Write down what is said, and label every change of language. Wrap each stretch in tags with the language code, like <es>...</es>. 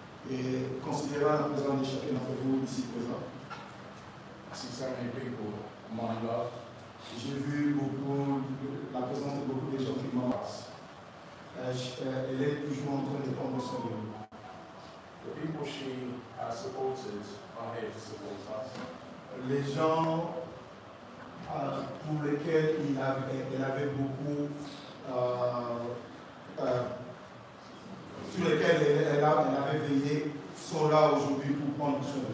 <fr>Et considérant la présence de chacun d'entre vous ici présent, j'ai vu la présence de beaucoup de gens qui m'embrassent. Elle est toujours en train de prendre soin de nous.</fr> <en>The people she has supported are here to support us.</en> <fr>Les gens pour lesquels elle avait beaucoup, sur lesquels elle avait veillé, sont là aujourd'hui pour prendre soin de</fr>